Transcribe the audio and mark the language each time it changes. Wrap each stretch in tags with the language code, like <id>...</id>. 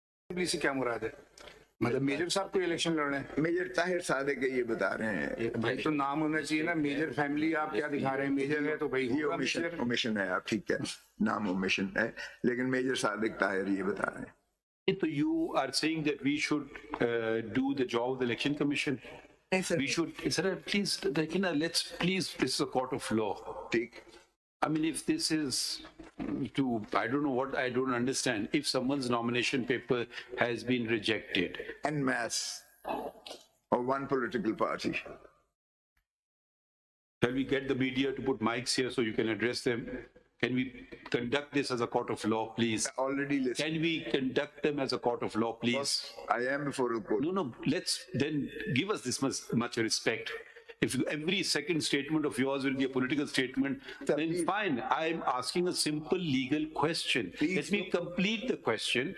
<ur>Assembly سے کیا مراد ہے مطلب میجر صاحب کو الیکشن لڑ رہے ہیں میجر طاہر صادق یہ بتا رہے ہیں بھائی تو نام ہونا چاہیے نا میجر فیملی آپ کیا دکھا رہے ہیں میجر ہے تو بھائی یہ اومیشن ہے آپ ٹھیک ہے نام اومیشن ہے لیکن میجر صادق طاہر یہ بتا رہے ہیں</ur> <en>تو you are saying that we should do the job of the election commission we should sir please لیکن let's please this is a court of law</en> <ur>ٹھیک</ur> <en>I mean if this is to I don't know what I don't understand if someone's nomination paper has been rejected an mess اور one political party can we get the media to put mics here so you can address them Can we conduct this as a court of law, please? Already listened. Can we conduct them as a court of law, please? I am before a court. No, no. Let's then give us this much respect. If every second statement of yours will be a political statement, sir, then please. Fine. I am asking a simple legal question. Please let me complete the question</en>